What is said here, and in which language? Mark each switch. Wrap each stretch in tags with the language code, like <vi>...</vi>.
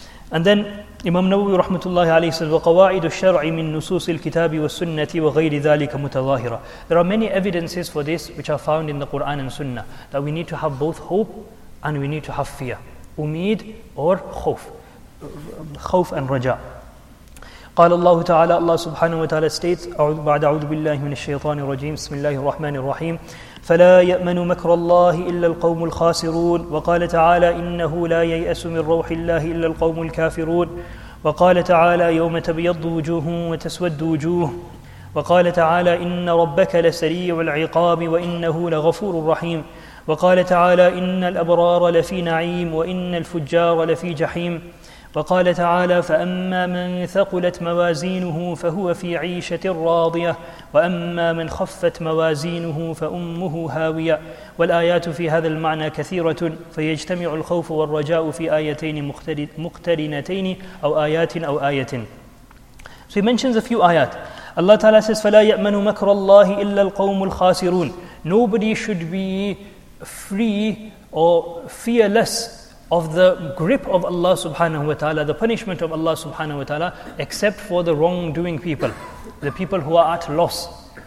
<en>And then Imam Nawawi rahmatullahi alayhi says,</en> <ar>وَقَوَاعِدُ الشَّرْعِ مِنْ نُسُوسِ الْكِتَابِ وَالسُّنَّةِ وَغَيْرِ ذَلِكَ مُتَظَاهِرًا.</ar> <en>There are many evidences for this which are found in the Quran and Sunnah, that we need to have both hope and we need to have fear, umid or khawf, khawf and raja.</en> <ar>قال الله تعالى الله سبحانه وتعالى</ar> <en>states,</en> <ar>بعد أعوذ بالله من الشيطان الرجيم بسم الله الرحمن الرحيم فلا يأمن مكر الله إلا القوم الخاسرون وقال تعالى إنه لا ييأس من روح الله إلا القوم الكافرون وقال تعالى يوم تبيض وجوه وتسود وجوه وقال تعالى إن ربك لسريع العقاب وإنه لغفور رحيم وقال تعالى إن الأبرار لفي نعيم وإن الفجار لفي جحيم وقال تعالى فأما من ثقلت موازينه فهو في عيشة راضية وأما من خفت موازينه فأمه هاوية والآيات في هذا المعنى كثيرة فيجتمع الخوف والرجاء في آيتين مقترنتين أو آيات أو آية.</ar> <en>So he mentions a few آيات. Allah Ta'ala says</en> <ar>فلا يأمن مكر الله إلا القوم الخاسرون.</ar> <en>Nobody should be free or fearless of the grip of Allah subhanahu wa ta'ala, the punishment of Allah subhanahu wa ta'ala, except for the wrongdoing people, the people who are at loss.</en>